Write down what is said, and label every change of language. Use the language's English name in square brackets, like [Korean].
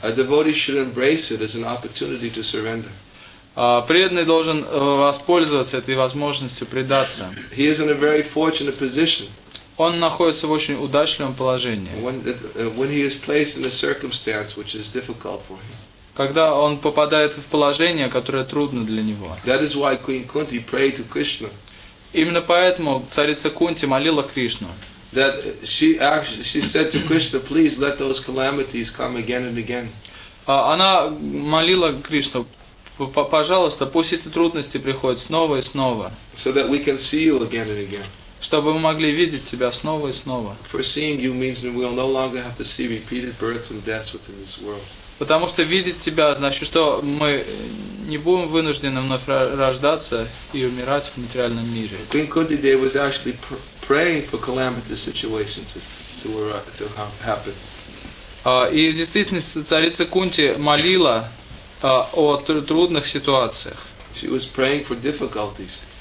[English] A devotee should embrace it as an opportunity to surrender. [Russian] Преданный должен воспользоваться этой возможностью предаться. [English] He is in a very fortunate position. [Russian] Он находится в очень удачливом положении. [English] When he is placed in a circumstance which is difficult for him. [Russian] Когда он попадает в положение, которое трудно для него. [English] That is why Queen Kunti prayed to Krishna. [Russian] Именно поэтому царица Кунти молила Кришну. [English] That she said to Krishna, please let those calamities come again and again. [Russian] Она молила Кришну, пожалуйста, пусть эти трудности приходят снова и снова. [English] So that we can see you again and again. [Russian] Чтобы мы могли видеть тебя снова и снова. [English] For seeing you means that we will no longer have to see repeated births and deaths within this world. [Russian] Потому что видеть тебя, значит, что мы не будем вынуждены вновь рождаться и умирать в материальном мире. [English] Queen Kunti Devi was actually praying for calamitous situations to happen. [Russian] И в действительности царица Кунти молила о трудных ситуациях. [English] She was praying for difficulties.